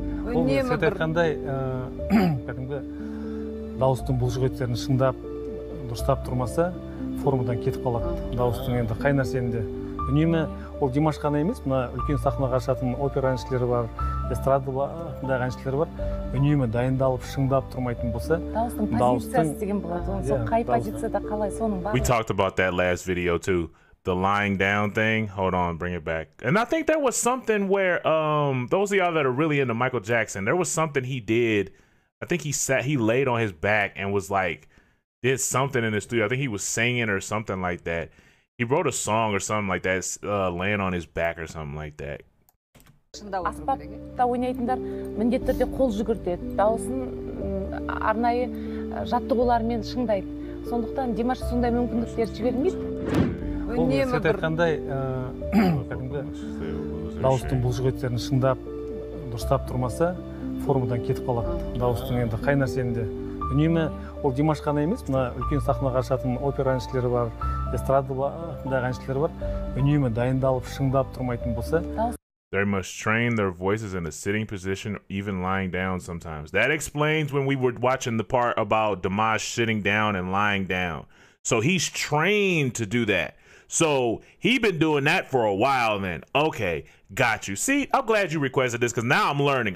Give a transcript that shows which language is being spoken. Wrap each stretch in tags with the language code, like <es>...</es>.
<kk>Үнемі бір... Сәт айтқандай, кәдімгі дауыстың бұл жүгіртерін шыңдап, дұрыстап тұрмаса, формадан кетіп қалады дауыстың енді қай нәрсенде. Үнемі ол Димаш қана емес, мына үлкен сахнаға шығатын опера әншілері бар, эстрадалық әншілер бар. Үнемі дайындалып, шыңдап тұрмайтын болса, дауыстың деген болады. Оның сол қай позицияда қалай, соның бар.</kk> <en>We talked about that last video too. The lying down thing, hold on, bring it back. And I think there was something where, those of y'all that are really into Michael Jackson, there was something he did. I think he laid on his back and was like, did something in the studio. I think he was singing or something like that. He wrote a song or something like that, laying on his back or something like that.</en> <kk>Аспапта ойнайтындар міндетті түрде қол жүгіртеді, дауысын арнайы жаттығулармен шыңдайды. Сондықтан Димаш сондай мүмкіндіктер жібермейді. Үнемі бір... Дауыстың бұл жүгіртерін шыңдап, дұрыстап тұрмаса, формадан кетіп қалады дауыстың енді қай нәрсенде. Үнемі ол Димаш қана емес, мына үлкен сахнаға шығатын опера әншілері бар, эстрадалық әншілері бар. Үнемі дайындалып, шыңдап тұрмайтын болса...</kk> <en>They must train their voices in a sitting position, even lying down sometimes. That explains when we were watching the part about Dimash sitting down and lying down. So he's trained to do that. So he been doing that for a while then. Okay, got you. See, I'm glad you requested this because now I'm learning.</en>